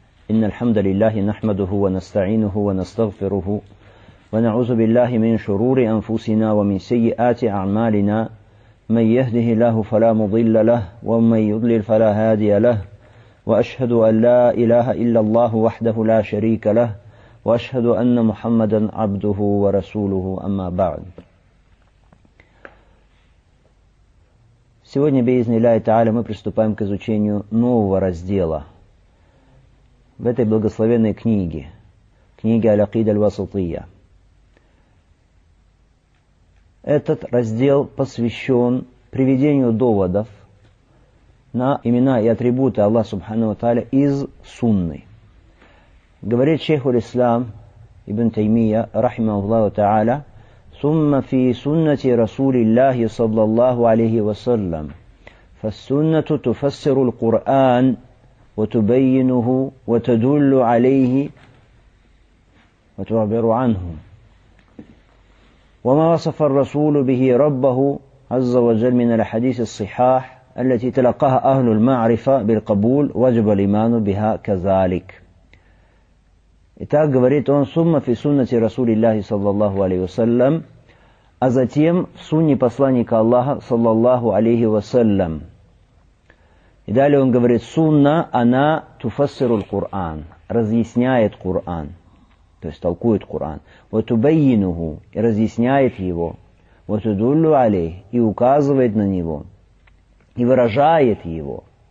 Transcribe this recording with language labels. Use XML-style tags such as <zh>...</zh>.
<ar>إن الحمد لله نحمده ونستعينه ونستغفره ونعوذ بالله من شرور أنفسنا ومن سيئات أعمالنا، من يهده الله فلا مضل له ومن يضلل فلا هادي له، وأشهد أن لا إله إلا الله وحده لا شريك له، وأشهد أن محمدا عبده ورسوله، أما بعد.</ar> <ru>Сегодня, биизни ляхи тааля, мы приступаем к изучению нового раздела в этой благословенной книге, книге «Аль-Акид аль-Васатия». Этот раздел посвящен приведению доводов на имена и атрибуты Аллаха субхану ва тааля из сунны. Говорит шейх аль-Ислам ибн Таймия, рахима Аллаху тааля,</ru> <ar>«Сумма фи суннати Расули Ллахи саллаллаху алейхи вассалям». فالسنة تفسر القرآن وتبينه وتدل عليه وتعبر عنه وما وصف الرسول به ربه عز وجل من الحديث الصحاح التي تلقاها أهل المعرفة بالقبول وجب الإيمان بها كذلك.</ar> <ru>Итак, говорит он,</ru> <ar>ثم في سنة رسول الله صلى الله عليه وسلم,</ar> <ru>а затем в сунне посланника Аллаха</ru> <ar>صلى الله عليه وسلم.</ar> <ru>И далее он говорит, сунна, она</ru> <ar>туфассируль Кур'ан,</ar> <ru>разъясняет Кур'ан, то есть толкует Кур'ан.</ru> <ar>Ватубайинуху,</ar> <ru>и разъясняет его.</ru> <ar>Ватудуллю алей,</ar> <ru>и указывает на него, и выражает его.</ru>